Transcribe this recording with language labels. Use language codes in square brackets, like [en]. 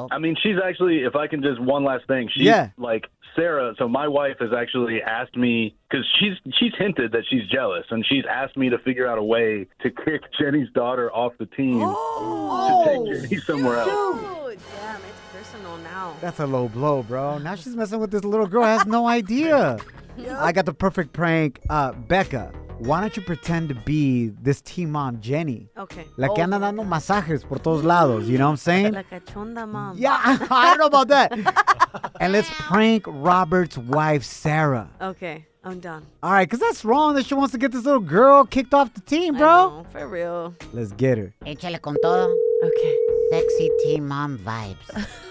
[en] I mean, she's actually, if I can just one last thing. She's like, Sarah, so my wife has actually asked me, because she's hinted that she's jealous, and she's asked me to figure out a way to kick Jenny's daughter off the team to take Jenny somewhere else. Dude, damn, it's personal now. That's a low blow, bro. Now she's messing with this little girl. Has no idea. Yep. I got the perfect prank. Becca. Why don't you pretend to be this team mom, Jenny? Okay. [es] La que anda dando masajes por todos lados. [en] You know what I'm saying? [es] La cachonda mom. [en] Yeah, I don't know about that. And let's prank Robert's wife, Sarah. Okay, I'm done. All right, because that's wrong that she wants to get this little girl kicked off the team, bro. I know, for real. Let's get her. [es] Échale con todo. [en] Okay. Sexy team mom vibes.